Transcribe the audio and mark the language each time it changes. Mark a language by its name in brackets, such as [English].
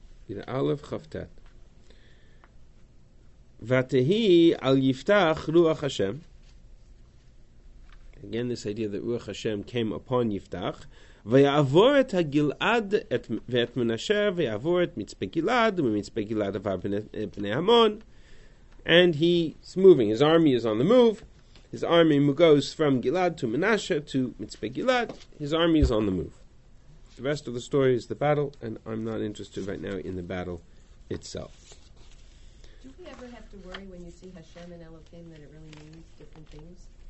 [Hebrew] Yud Aleph Chaf Tet. Vatehi al Yiftach Ruach Hashem. [English] Again, this idea that Ruach Hashem came upon Yiftach. [Hebrew] ויעבור את הגלעד ואת מנשה, ויעבור את מצפה גלעד, ומצפה גלעד עבר בני המון. [English] And he's moving. His army is on the move. His army goes from Gilad to Menasheh to Mitzpeh Gilad. His army is on the move. The rest of the story is the battle, and I'm not interested right now in the battle itself. Do we ever have to worry when you see Hashem and Elohim that it really means different things?